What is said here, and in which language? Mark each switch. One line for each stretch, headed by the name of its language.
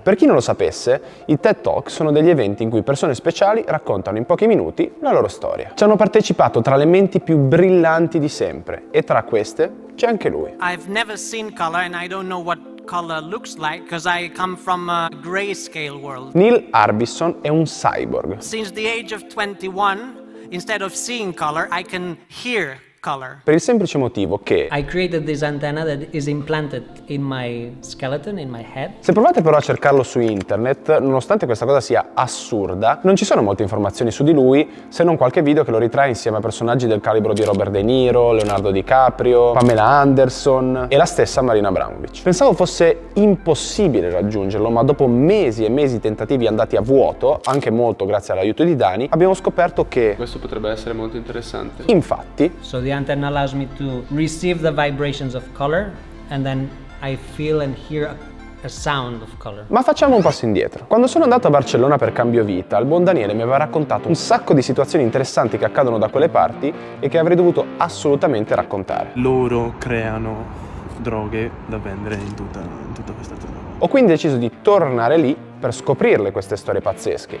Italian: Per chi non lo sapesse, i TED Talk sono degli eventi in cui persone speciali raccontano in pochi minuti la loro storia. Ci hanno partecipato tra le menti più brillanti di sempre e tra queste c'è anche lui.
English: I've never seen color and I don't know what color looks like because I come from a grayscale world.
Italian: Neil Harbisson è un cyborg.
English: Since the age of 21, instead of seeing color, I can hear color.
Italian: Per il semplice motivo che
English: I created this antenna that is implanted in my skeleton, in my head.
Italian: Se provate però a cercarlo su internet, nonostante questa cosa sia assurda, non ci sono molte informazioni su di lui, se non qualche video che lo ritrae insieme a personaggi del calibro di Robert De Niro, Leonardo DiCaprio, Pamela Anderson e la stessa Marina Abramovic. Pensavo fosse impossibile raggiungerlo, ma dopo mesi e mesi di tentativi andati a vuoto, anche molto grazie all'aiuto di Dani, abbiamo scoperto che questo potrebbe essere molto interessante. Infatti,
English: so the antenna allows me to receive the vibrations of color and then I feel and hear a sound of color.
Italian: Ma facciamo un passo indietro. Quando sono andato a Barcellona per cambio vita, il buon Daniele mi aveva raccontato un sacco di situazioni interessanti che accadono da quelle parti e che avrei dovuto assolutamente raccontare. Loro creano droghe da vendere in tutta questa zona. Ho quindi deciso di tornare lì per scoprirle queste storie pazzesche.